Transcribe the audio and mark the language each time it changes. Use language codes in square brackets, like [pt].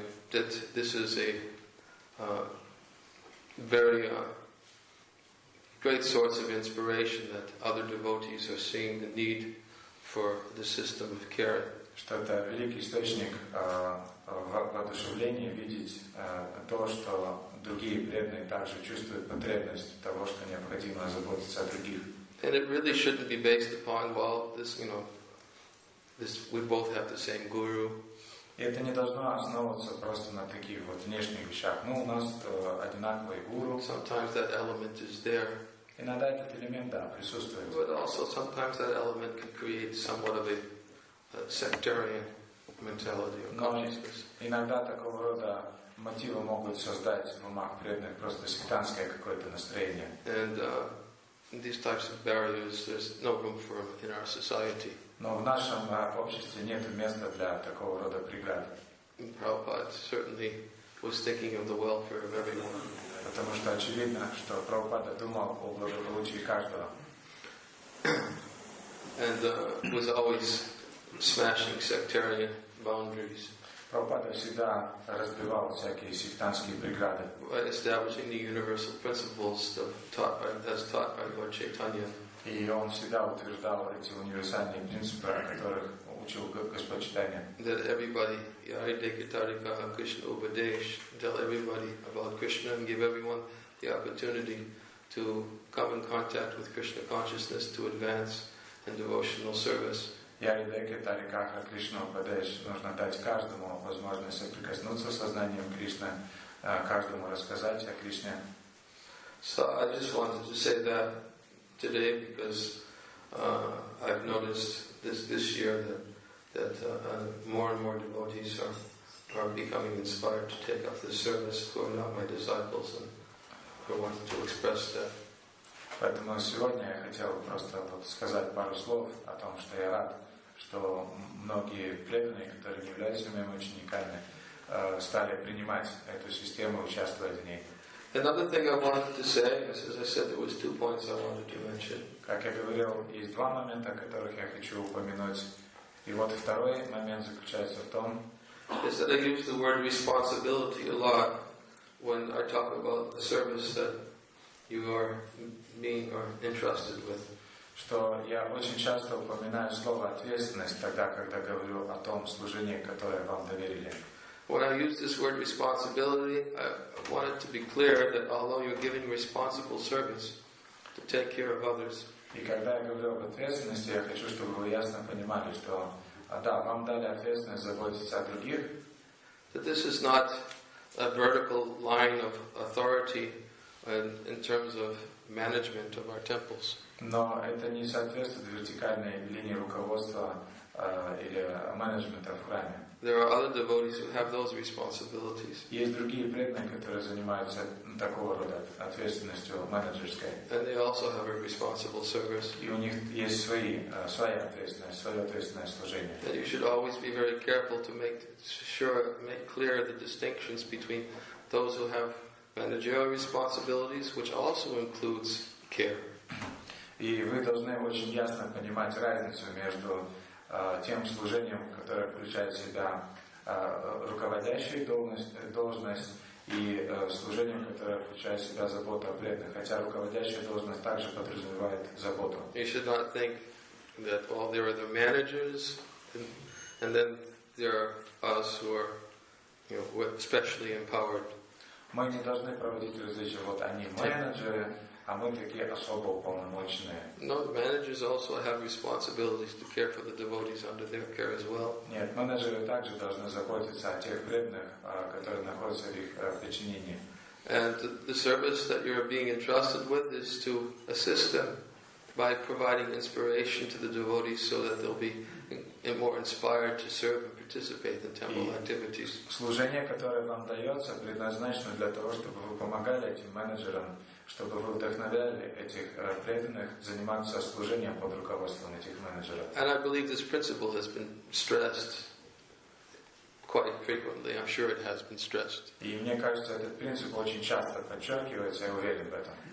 [en] That this is a very great source of inspiration that other devotees are seeing the need for the system of care. [ru] Что это великий источник воодушевления видеть то, что другие преданные также чувствуют потребность того, что необходимо заботиться о других. [en] And it really shouldn't be based upon, well, this, you know, this, we both have the same guru. [ru] Это не должно основываться просто на таких вот внешних вещах. Ну, у нас одинаковый гуру. [en] Sometimes that element is there. [ru] Иногда этот элемент, да, присутствует. [en] But also sometimes that element can create somewhat of a sectarian mentality or consciousness. [ru] Иногда такого рода мотивы могут создать в умах преданных просто сектантское какое-то настроение. [en] And these types of barriers, there's no room for in our society. [ru] Но в нашем обществе нет места для такого рода преград. [en] Prabhupada certainly was thinking of the welfare of everyone. [ru] Потому что очевидно, что Прабхупада думал о благополучии каждого. [en] And was always smashing sectarian boundaries. [ru] Прабхупада всегда разбивал всякие сектантские преграды. [en] By establishing the universal principles as taught by Lord Chaitanya. [ru] И он всегда утверждал эти универсальные принципы, о которых учил Господь Чайтанья. [en] That everybody, [bn] Yari Dekitarika, Krishna Ubadesh, [en] tell everybody about Krishna and give everyone the opportunity to come in contact with Krishna consciousness to advance in devotional service. [bn] Yari Dekitarika, Krishna Ubadesh, [ru] нужно дать каждому возможность соприкоснуться с сознанием Кришны, каждому рассказать о Кришне. [en] So I just wanted to say that today, because I've noticed this year that more and more devotees are becoming inspired to take up this service, who are not my disciples, and I wanted to express that. [ru] Поэтому сегодня я хотел просто сказать пару слов о том, что я рад, что многие преданные, которые не являются моими учениками, стали принимать эту систему и участвовать в ней. [en] Another thing I wanted to say, as I said, there was two points I wanted to mention. [ru] Как я говорил, есть два момента, которых я хочу упомянуть. И вот второй момент заключается в том, [en] is that I use the word responsibility a lot when I talk about the service that you are being or entrusted with. [ru] Что я очень часто упоминаю слово ответственность тогда, когда говорю о том служении, которое вам доверили. [en] When I use this word responsibility, I want it to be clear that although you're giving responsible service to take care of others, [ru] и когда я говорю об ответственности, я хочу, чтобы вы ясно понимали, что да, вам дали ответственность заботиться о других. [en] That this is not a vertical line of authority in terms of management of our temples. [ru] Но это не соответствует вертикальной линии руководства или менеджмента в храме. [en] There are other devotees who have those responsibilities. [ru] Есть другие преданные, которые занимаются такого рода ответственностью менеджерской. [en] And they also have a responsible service. [ru] И у них есть своя ответственное служение. [en] And you should always be very careful to make clear the distinctions between those who have managerial responsibilities, which also includes care. [ru] И вы должны очень ясно понимать разницу между тем служением, которое включает в себя руководящую должность и служением, которое включает в себя заботу о преданных, хотя руководящая должность также подразумевает заботу. [en] You should not think that all there are the managers and then there are us who are, you know, especially empowered. [ru] Мы не должны проводить различия, вот они менеджеры, а мы такие особо уполномоченные. [en] No, the managers also have responsibilities to care for the devotees under their care as well. [ru] Нет, менеджеры также должны заботиться о тех преданных, которые находятся в их подчинении. [en] And the service that you're being entrusted with is to assist them by providing inspiration to the devotees so that they'll be more inspired to serve and participate in temple activities. [ru] Служение, которое вам дается, предназначено для того, чтобы вы помогали этим менеджерам, чтобы вы вдохновляли этих преданных заниматься служением под руководством этих менеджеров. [en] And I believe this principle has been stressed quite frequently. I'm sure it has been stressed. [ru] И мне кажется, этот принцип очень часто подчеркивается, я уверен в этом.